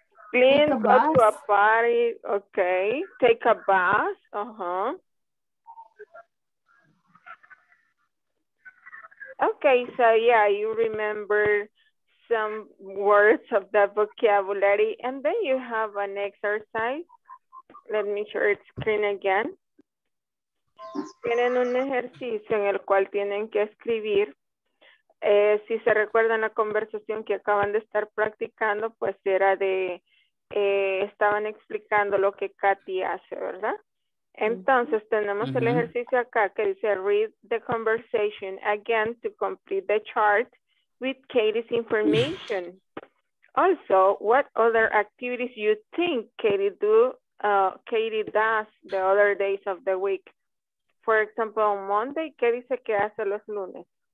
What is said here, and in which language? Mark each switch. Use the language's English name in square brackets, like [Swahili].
[English] Flee, go to a party. Okay. Take a bus. Uh-huh. Okay, so yeah, you remember some words of that vocabulary, and then you have an exercise. Let me share the screen again. [Spanish] Tienen un ejercicio en el cual tienen que escribir. Si se recuerdan la conversación que acaban de estar practicando, pues era de, estaban explicando lo que Katy hace, ¿verdad? Entonces, tenemos el ejercicio acá que dice, [English] read the conversation again to complete the chart with Katie's information. Also, what other activities you think Katie does the other days of the week? For example, on Monday, [Spanish] ¿qué dice que hace los lunes?